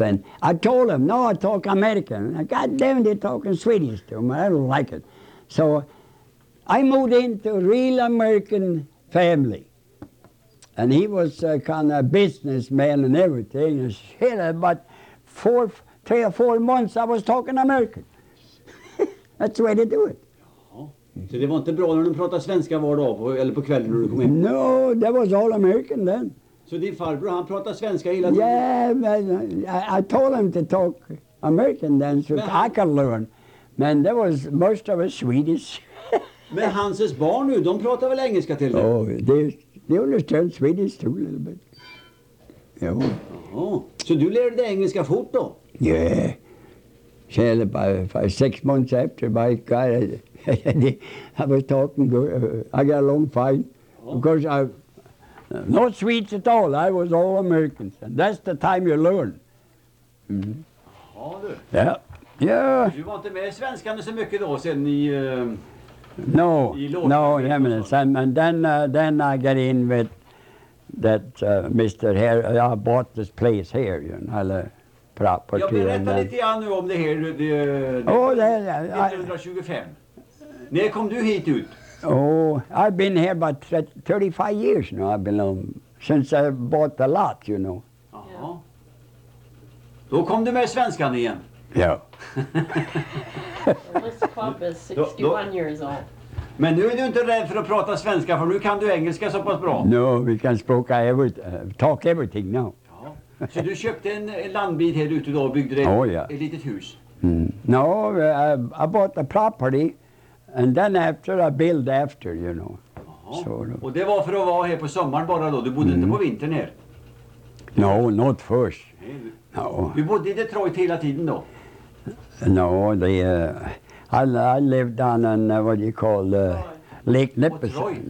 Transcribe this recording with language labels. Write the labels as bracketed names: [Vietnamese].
[English] And I told him, no, I talk American. God damn, they're talking Swedish to him. I don't like it. So I moved into a real American family. And he was a kind of businessman and everything. And shit, about three or four months I was talking American. That's the way they do it. [Swedish] Så det var inte bra när de pratade svenska var dag på, eller på kvällen när du kom hem? [English] No, that was all American then. [Swedish] Så din farbror, han pratade svenska hela tiden? [English] Yeah, but I told him to talk American then so men, I could learn. Men there was most of it Swedish. [Swedish] Men Hanses barn nu, de pratar väl engelska till dig? [English] Oh, they understand Swedish too a little bit. [Swedish] Ja. Yeah. Så du lärde dig engelska fort då? [English] Yeah. Shall about 6 months after my car, I was talking good. I got along fine. Oh. Because I no Swedes at all. I was all Americans. And that's the time you learn. Mm-hmm. [Swedish] Ja, du. [English] Yeah. Yeah. [Swedish] Du var inte med svenskarna så mycket då sen i [English] no. I no, yeah, man, and then I got in with that Mr. Hare. I bought this place here, you know. [Swedish] Jag berättar lite grann nu om det här. Det 1925. När kom du hit ut? [English] Oh, I've been here about 35 years now. I've been home since I bought the lot, you know. Aha. [Swedish] Yeah. Då kom du med svenskan igen. Ja. [English] This pop is 61 years old. [Swedish] Men nu är du inte rädd för att prata svenska, för nu kan du engelska så pass bra. [English] No, we can talk everything now. [Swedish] Så du köpte en landbit här ute då och byggde ett, [English] oh, yeah, [Swedish] ett litet hus? Mm. [English] No, I bought the property and then after I built after, you know. [Swedish] So, och det var för att vara här på sommaren bara då? Du bodde inte på vintern här? [English] No, not first. No. [Swedish] Du bodde i Detroit hela tiden då? [English] No, I lived on what you call Lake Nipissing.